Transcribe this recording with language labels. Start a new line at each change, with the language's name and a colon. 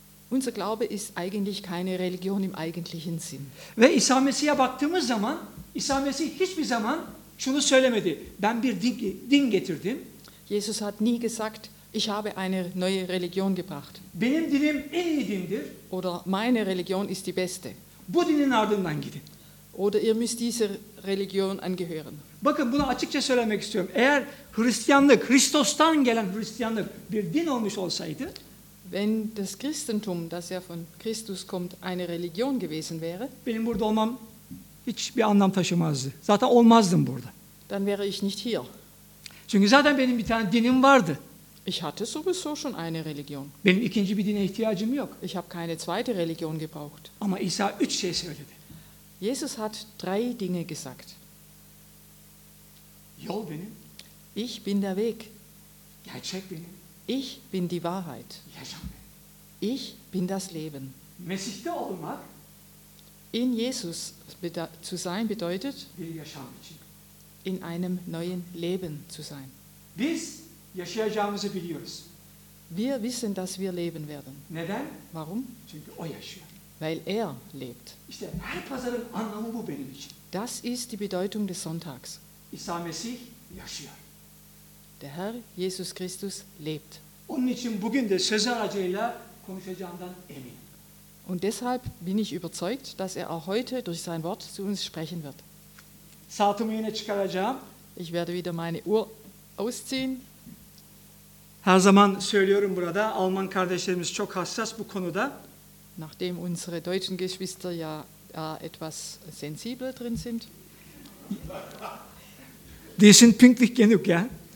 German: Unser Glaube ist eigentlich keine Religion im eigentlichen Sinn.
Turkish: Ve İsa Mesih'e baktığımız zaman, İsa Mesih hiçbir zaman şunu söylemedi. Ben bir din getirdim.
German: Jesus hat nie gesagt, ich habe eine neue Religion gebracht.
Turkish: Benim dinim en iyi dindir.
German: Oder meine Religion ist die beste.
Turkish: Bu dinin ardından gidin.
German: Oder ihr müsst dieser Religion angehören.
Turkish: Bakın bunu açıkça söylemek istiyorum. Eğer Hristiyanlık, Hristos'tan gelen Hristiyanlık bir din olmuş olsaydı,
German: wenn das Christentum, das ja von Christus kommt, eine Religion gewesen wäre,
Turkish: benim burada olmam hiç bir anlam taşımazdı. Zaten olmazdım burada.
German: Dann wäre ich nicht hier.
Turkish: Çünkü zaten benim bir tane dinim vardı.
German: Ich hatte sowieso schon eine Religion.
Turkish: Benim ikinci bir dine ihtiyacım yok.
German: Ich habe keine zweite Religion gebraucht.
Turkish: Ama İsa üç şey söyledi.
German: Jesus hat drei Dinge gesagt.
Turkish: Yol benim.
German: Ich bin der Weg.
Turkish: Gerçek benim.
German: Ich bin die Wahrheit.
Turkish: Yaşam benim.
German: Ich bin das Leben.
Turkish: Mesih'te olmak.
German: In Jesus zu sein bedeutet.
Turkish: Bir yaşam için.
German: In einem neuen Leben zu sein.
Turkish: Biz yaşayacağımızı biliyoruz.
German: Wir wissen, dass wir leben werden.
Turkish: Neden?
German: Warum?
Turkish: Çünkü o yaşıyor.
German: Weil er lebt.
Turkish: İşte her pazarın anlamı bu benim için.
German: Das ist die Bedeutung des Sonntags.
Turkish: İsa Mesih yaşıyor.
German: Der Herr Jesus Christus lebt.
Turkish: Onun için bugün de söz aracıyla konuşacağından eminim.
German: Und deshalb bin ich überzeugt, dass er auch heute durch sein Wort zu uns sprechen wird.
Turkish: Saatimi yine çıkaracağım.
German: Ich werde wieder meine Uhr ausziehen.
Turkish: Her zaman söylüyorum burada, Alman kardeşlerimiz çok hassas bu konuda.
German: Nachdem unsere deutschen Geschwister ja etwas sensibel drin sind. Die sind pünktlich genug, ja.